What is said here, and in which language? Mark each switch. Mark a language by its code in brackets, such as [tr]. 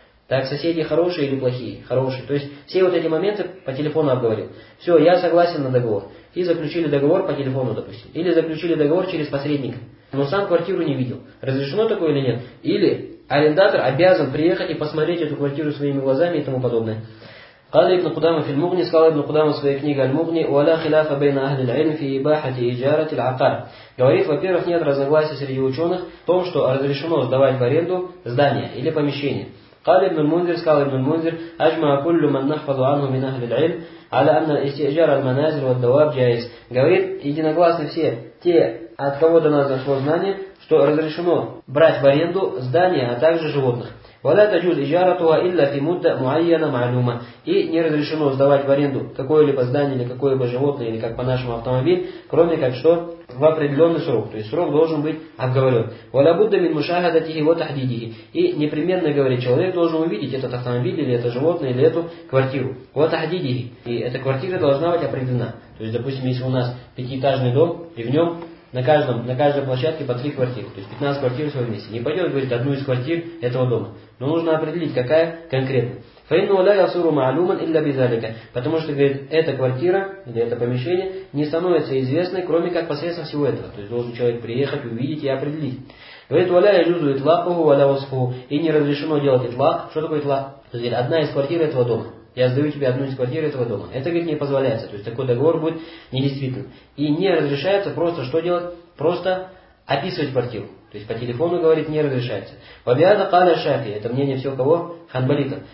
[ru] Так, соседи хорошие или плохие? Хорошие. То есть, все вот эти моменты по телефону обговорил. Все, я согласен на договор. И заключили договор по телефону, допустим. Или заключили договор через посредника. Но сам квартиру не видел. Разрешено такое или нет? Или арендатор обязан приехать и посмотреть эту квартиру своими глазами и тому подобное. [ar] قال ابن قدامة في المغني قال ابن قدامة في [ru] своей книге [ar] المغني ولا خلاف بين أهل العلم في إباحة إجارة العقار. [ru] Говорит, во-первых, нет разногласий среди ученых в том, что разрешено сдавать в аренду здание или помещение. [ar] قال ابن المنذر قال ابن المنذر أجمع كل من نحفظ عنه من أهل العلم على أن استئجار المنازل والدواب جائز. [ru] Говорит, единогласны все те, от кого до нас дошло знание, что разрешено брать в аренду здание, а также животных. [ar] وَلَا تَجُزْ إِجَارَتُهَا إِلَّا فِي مُدَّ مُعَيَّنَ مَعْلُومَ. [ru] И не разрешено сдавать в аренду какое-либо здание или какое-либо животное, или как по-нашему автомобиль, кроме как что в определенный срок. То есть срок должен быть обговорен. [ar] وَلَا بُدَّ مِنْ مُشَاهَدَتِهِ وَتَحْدِدِهِ. [ru] И непременно говорит, человек должен увидеть этот автомобиль, или это животное, или эту квартиру. [ar] وَتَحْدِدِهِ. [ru] И эта квартира должна быть определена. То есть, допустим, если у нас пятиэтажный дом, и в нем на каждой площадке по 3 квартиры, то есть 15 квартир в своем месте. Не пойдет, говорит, одну из квартир этого дома. Но нужно определить, какая конкретно. [ar] فَإِنَّهُ لَا يَصِيرُ مَعْلُومًا إِلَّا بِذَلِكَ. [ru] Потому что, говорит, эта квартира или это помещение не становится известной, кроме как посредством всего этого. То есть должен человек приехать, увидеть и определить. Говорит, [ar] وَلَا يَجُزُ إِطْلَاقُهُ وَلَا وَصْفُهُ. [ru] И не разрешено делать итлак. Что такое итлак? То есть одна из квартир этого дома. Я сдаю тебе одну из квартир этого дома. Это, говорит, не позволяется. То есть такой договор будет недействительным. И не разрешается просто что делать? Просто описывать квартиру. То есть по телефону говорить не разрешается. [ar] Вабиада каля шафи. [ru] Это мнение всего кого? Ханбалита.